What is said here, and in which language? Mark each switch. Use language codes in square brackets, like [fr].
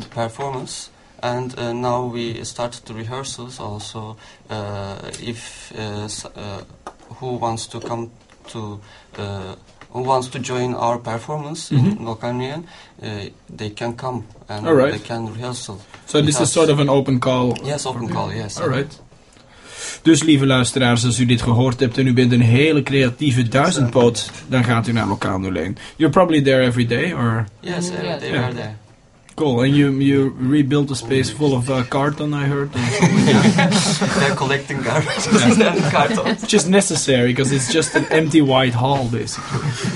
[en] For the performance. And now we start the rehearsals also. If who wants to come to who wants to join our performance, mm-hmm. in Lokanien, they can come and right. they can rehearsal. So this is sort of an open call? Yes, open call, yes. All right. [nl] Dus lieve luisteraars, als u dit gehoord hebt en u bent een hele creatieve duizendpoot, dan gaat u naar Lokaal 01. [en] You're probably there every day, or? Yes, every day we are there. Cool, and you rebuilt a space full of carton, I heard. They're collecting cartons. Which is necessary, because it's just an empty white hall, basically.